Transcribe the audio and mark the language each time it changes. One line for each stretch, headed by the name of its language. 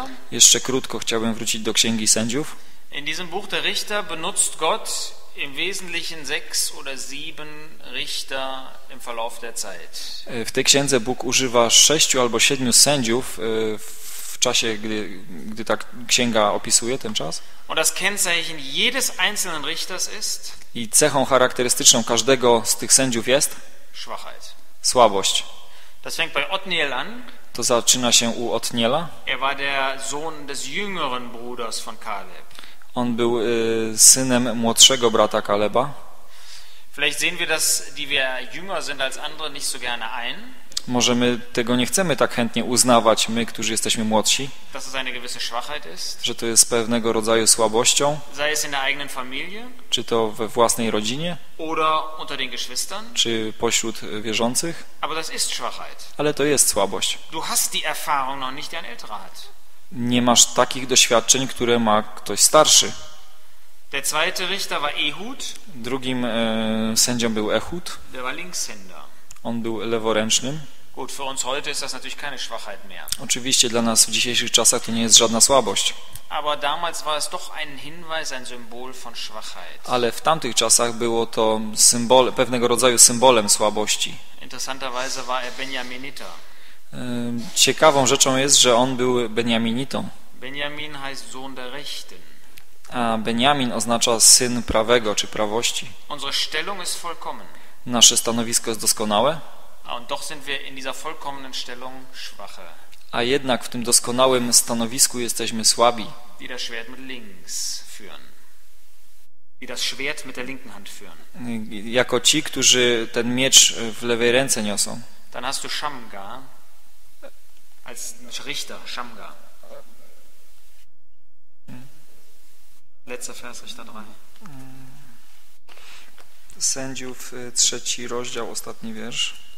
Polish: Jeszcze krótko chciałbym wrócić do Księgi Sędziów.
German: In diesem Buch der Richter benutzt Gott im Wesentlichen sechs oder sieben Richter im Verlauf der Zeit.
Polish: W tej księdze Bóg używa sześciu albo siedmiu sędziów w czasie, gdy ta księga opisuje ten czas.
German: Und das Kennzeichen jedes einzelnen Richters ist.
Polish: I cechą charakterystyczną każdego z tych sędziów jest
German: Schwachheit.
Polish: Słabość.
German: Das fängt bei Othniel an.
Polish: To zaczyna się u Othniela.
German: Er war der Sohn des jüngeren Bruders von Kaleb.
Polish: On był synem młodszego brata Kaleba.
German: Vielleicht sehen wir das, die wir jünger sind als andere, nicht so gerne ein.
Polish: Może my tego nie chcemy tak chętnie uznawać, my, którzy jesteśmy młodsi.
German: Dass es eine gewisse Schwachheit ist.
Polish: Że to jest pewnego rodzaju słabością.
German: Sei es in der eigenen Familie.
Polish: Czy to we własnej rodzinie.
German: Oder unter den Geschwistern.
Polish: Czy pośród wierzących.
German: Aber das ist Schwachheit.
Polish: Ale to jest słabość.
German: Du hast die Erfahrung noch nicht, die ein älterer hat.
Polish: Nie masz takich doświadczeń, które ma ktoś starszy.
German: Der zweite Richter war Ehud.
Polish: Drugim sędzią był Ehud.
German: Der war Linkshänder.
Polish: On był leworęcznym.
German: Gut, für uns heute ist das natürlich keine Schwachheit mehr.
Polish: Oczywiście dla nas w dzisiejszych czasach to nie jest żadna słabość.
German: Aber damals war es doch ein Hinweis, ein Symbol von Schwachheit.
Polish: Ale w tamtych czasach było to symbol, pewnego rodzaju symbolem słabości.
German: Interessanterweise war er Benjaminiter.
Polish: Ciekawą rzeczą jest, że on był Benjaminitą.
German: Benjamin heißt Sohn der Rechten.
Polish: A Benjamin oznacza syn prawego czy prawości.
German: Unsere Stellung ist vollkommen.
Polish: Nasze stanowisko jest doskonałe.
German: Und doch sind wir in dieser vollkommenen Stellung schwache.
Polish: A jednak w tym doskonałym stanowisku jesteśmy słabi.
German: Die das Schwert mit links führen. Die das Schwert mit der linken Hand führen.
Polish: Jako ci, którzy ten miecz w lewej ręce niosą.
German: Dann hast du Shamgar als Richter, Shamgar. Letzter Vers, Richter 3.
Polish: Sędziów, trzeci rozdział, ostatni wiersz.